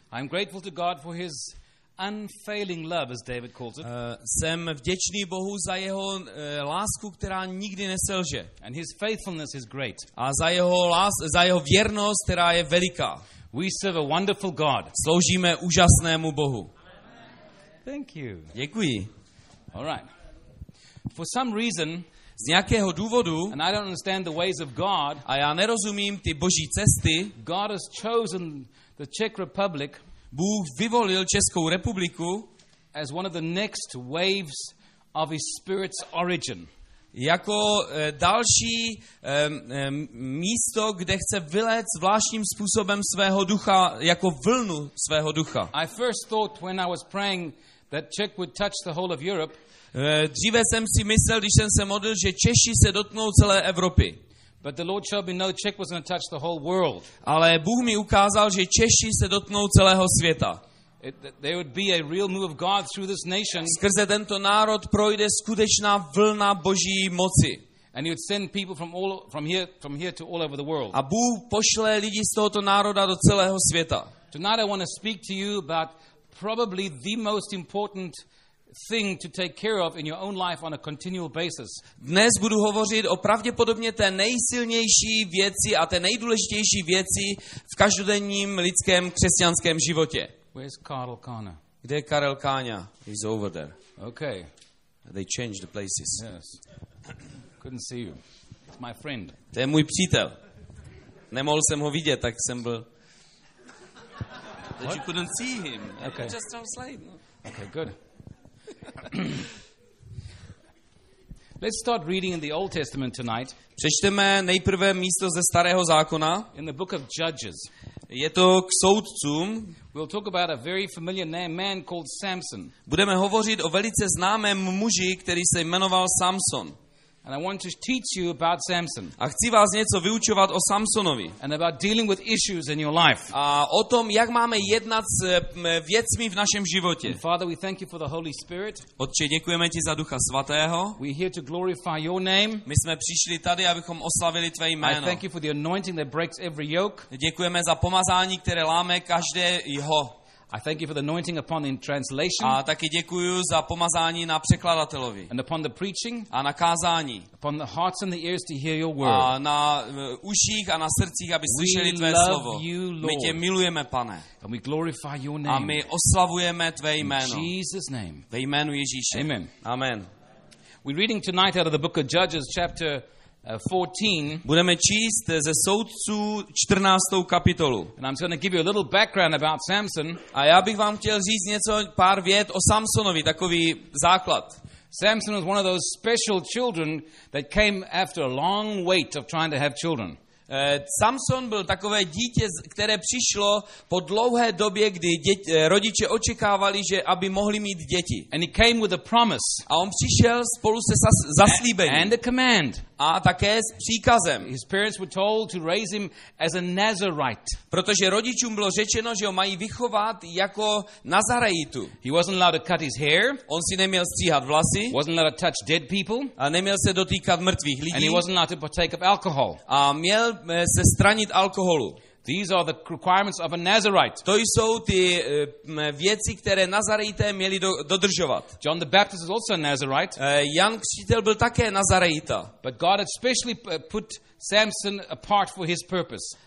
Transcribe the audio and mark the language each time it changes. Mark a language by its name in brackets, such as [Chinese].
[English] I'm grateful to God for his unfailing love, as David calls it. [Czech] Jsem vděčný Bohu za jeho lásku, která nikdy neselže. [English] And his faithfulness is great. [Czech] A za jeho věrnost, která je veliká. [English] We serve a wonderful God. [Czech] Sloužíme úžasnému Bohu. [English] Thank you. [Czech] Děkuji. [English] All right. For some reason, [Czech] z nějakého důvodu, [English] and I don't understand the ways of God, [Czech] a já nerozumím ty Boží cesty, [English] God has chosen the Czech Republic, [Czech] Bůh vyvolil Českou republiku [English] as one of the next waves of his spirit's origin. [Czech] Jako další místo, kde chce vylet zvláštním způsobem svého ducha, jako vlnu svého ducha. [English] I first thought when I was praying that Czech would touch the whole of Europe. [Czech] Dříve jsem si myslel, když jsem se modlil, že Češi se dotknou celé Evropy. [English] But the Lord showed me no, Czech was going to touch the whole world. [Czech] Ale Bůh mi ukázal, že Češi se dotknou celého světa. [English] There would be a real move of God through this nation. [Czech] Skrze tento národ projde skutečná vlna Boží moci. [English] And he would send people from here to all over the world. [Czech] A Bůh pošle lidi z tohoto národa do celého světa. [English] Tonight I want to speak to you about probably the most important thing to take care of in your own life on a continual basis. [Czech] Dnes budu hovořit o pravděpodobně té nejsilnější věci a té nejdůležitější věci v každodenním lidském křesťanském životě. [English] Where's Karel Kána? [Czech] Kde je Karel Káňa? [English] He's over there. Okay. They changed the places. Yes. Couldn't see you. It's my friend. [Czech] To je můj přítel. Nemohl jsem ho vidět, tak jsem byl. [English] What? That you couldn't see him. Okay. Just translate. Okay, good. Let's start reading in the Old Testament tonight. [Czech] Přečteme nejprve místo ze Starého zákona. [English] In the book of Judges. [Czech] Je to k soudcům. [English] We'll talk about a very familiar name, man called Samson. [Czech] Budeme hovořit o velice známém muži, který se jmenoval Samson. [English] And I want to teach you about Samson. [Czech] A chci vás něco vyučovat o Samsonovi. [English] And about dealing with issues in your life. [Czech] A o tom, jak máme jednat s věcmi v našem životě. [English] And Father, we thank you for the Holy Spirit. [Czech] Otče, děkujeme ti za Ducha Svatého. [English] We're here to glorify your name. [Czech] My jsme přišli tady, abychom oslavili tvé jméno. [English] I thank you for the anointing that breaks every yoke. [Czech] Děkujeme za pomazání, které láme každé jeho. [English] I thank you for the anointing upon the translation. [Czech] A taky děkuju za pomazání na překladatelovi. [English] And upon the preaching. [Czech] A na kázání. [English] Upon the hearts and the ears to hear your word. [Czech] A na uších a na srdcích, aby slyšeli tvé slovo. [English] You, [Czech] my tě milujeme, Pane. [English] And we glorify your name. [Czech] A my oslavujeme tvé jméno. [English] In Jesus name. [Czech] Ve jménu Ježíše. [English] Amen. [Czech] Amen. [English] We're reading tonight out of the book of Judges chapter 14. [Czech] Budeme číst ze soudců 14. kapitolu. [English] And I'm going to give you a little background about Samson. [Czech] A já bych vám chtěl říct něco, pár vět o Samsonovi, takový základ. [English] Samson was one of those special children that came after a long wait of trying to have children. [Czech] Samson byl takové dítě, které přišlo po dlouhé době, kdy rodiče očekávali, že aby mohli mít děti. [English] And he came with a promise. [Czech] A on přišel spolu se zaslíbením. [English] And a command. [Czech] A také s příkazem. [English] His parents were told to raise him as a Nazarite. [Czech] Protože rodičům bylo řečeno, že ho mají vychovat jako Nazarejitu. [English] He wasn't allowed to cut his hair. [Czech] On si neměl stříhat vlasy. [English] Wasn't allowed to touch dead people. [Czech] A neměl se dotýkat mrtvých lidí. [English] And he wasn't allowed to partake of alcohol. [Czech] A měl se stranit alkoholu. [English] These are the requirements of a Nazarite. [Czech] To jsou ty věci, které Nazarejité měli dodržovat. [English] John the Baptist is also a Nazarite. [Czech] Jan Křtitel byl také Nazarejita. [English] But God had specially put Samson apart for his purpose.